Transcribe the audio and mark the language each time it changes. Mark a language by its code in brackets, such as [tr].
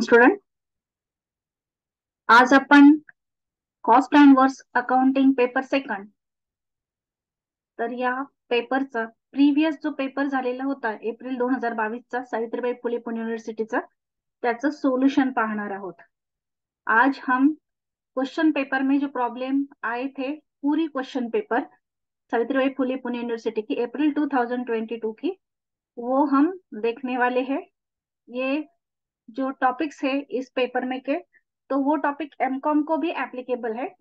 [hi] Student, आज अपन cost and verse accounting paper second. [mr] तर या पेपरचा प्रीवियस जो पेपर झालेला होता एप्रिल 2022 चा सावित्रीबाई फुले पुणे युनिव्हर्सिटीचा, त्याचं सोल्यूशन पाहणार आहोत। [hi] आज हम क्वेश्चन पेपर में जो प्रॉब्लेम आए थे, पूरी question paper Savitribai Phule Pune university की अप्रैल 2022 की, वो हम देखने वाले हैं। ये जो टॉपिक्स है इस पेपर में के, तो वो टॉपिक एमकॉम को भी एप्लीकेबल है।